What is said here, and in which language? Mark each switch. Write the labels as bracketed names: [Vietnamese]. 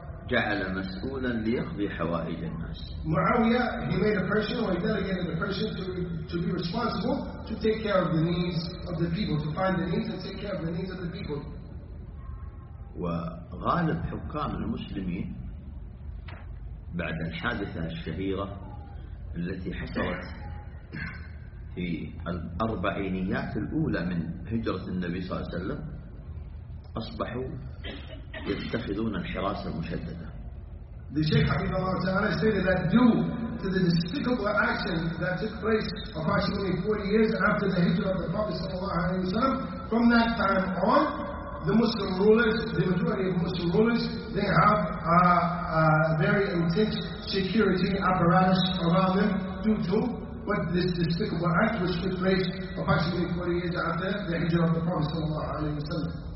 [Arabic] جعل مسؤولا ليقضي حوائج الناس. [English] Muawiyah, he made a person or he delegated a person to be responsible to take care of the needs of the people, to find the needs and take care of the needs of the people. [Arabic] وغالب حكام المسلمين بعد الحادثة الشهيرة التي حصلت في الأربعينيات الأولى من هجرة النبي صلى الله عليه وسلم أصبحوا يتخذون الحراسة المشددة. [English] The Sheikh Habib Allah Ta'ala stated that due to the despicable action that took place approximately 40 years after the hijrah of the Prophet sallallahu alayhi wa sallam, from that time on, the Muslim rulers, the majority of Muslim rulers, they have a very intense security apparatus around them due to what this despicable act which took place approximately 40 years after the hijrah of the Prophet sallallahu alayhi wa sallam.